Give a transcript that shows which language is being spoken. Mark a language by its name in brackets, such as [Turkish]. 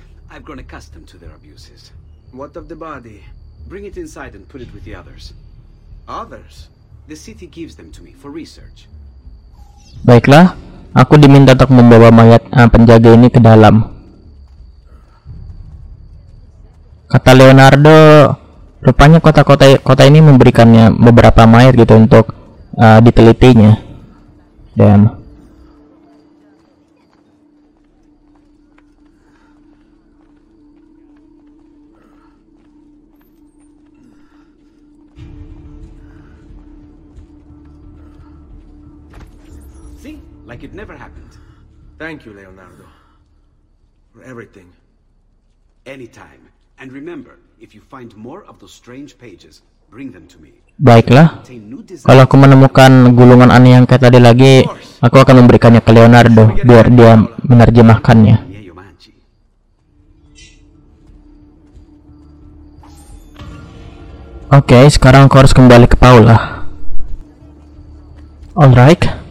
[English] I've grown accustomed to their abuses. What of the body? Bring it inside and put it with the others. Others? The city gives them to me for research. [Indonesian] Baiklah. Aku diminta untuk membawa mayat penjaga ini ke dalam. Kata Leonardo, rupanya kota-kota ini memberikannya beberapa mayat gitu untuk ditelitinya. Dan [English] like it never happened. Thank you, Leonardo. For everything. Anytime. And remember, if you find more of those strange pages, bring them to me. [Indonesian] Baiklah. Kalau aku menemukan gulungan aneh yang kayak tadi lagi, aku akan memberikannya ke Leonardo biar dia menerjemahkannya. Oke, sekarang aku harus kembali ke Paula. [English] Alright.